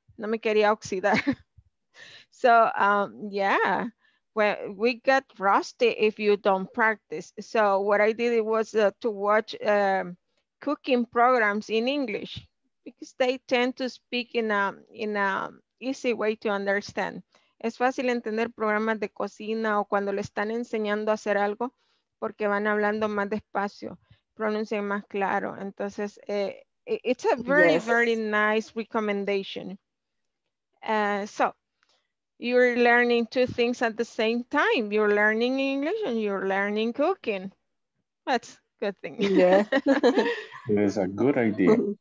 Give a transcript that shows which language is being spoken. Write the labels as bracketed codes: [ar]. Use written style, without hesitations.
[es] No me quería oxidar. [en] So yeah, well, we get rusty if you don't practice. So what I did was to watch cooking programs in English, because they tend to speak in a easy way to understand. [es] Es fácil entender programas de cocina o cuando le están enseñando a hacer algo, porque van hablando más despacio, pronuncian más claro. [en] Entonces, it's a very, yes, very nice recommendation. So you're learning two things at the same time. You're learning English and you're learning cooking. That's a good thing. Yeah. It is a good idea.